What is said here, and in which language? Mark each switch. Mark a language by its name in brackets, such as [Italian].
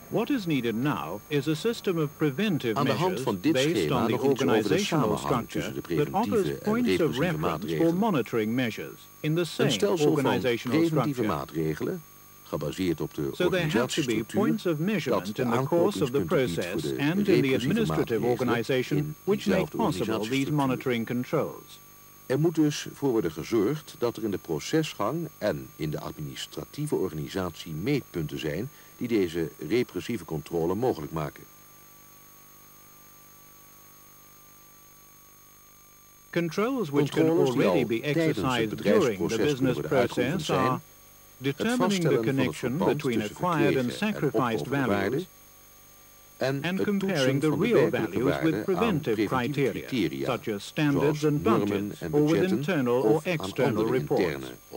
[English] What is needed now is a system of preventive [Dutch] aan de hand van dit schema nog over de samenhang tussen de preventieve en repressieve maatregelen. Een stelsel van preventieve maatregelen, gebaseerd op de organisatiestructuur, dat de aanknopingspunten biedt voor de repressieve maatregelen in dezelfde organisatiestructuur. Er moet dus voor worden gezorgd dat er in de procesgang en in de administratieve organisatie meetpunten zijn die deze repressieve controle mogelijk maken. [English] Controls which can already be exercised during the business process are determining the connection between acquired and sacrificed values, and comparing the real values with preventive criteria, such as standards and budgets, or with internal or external reports.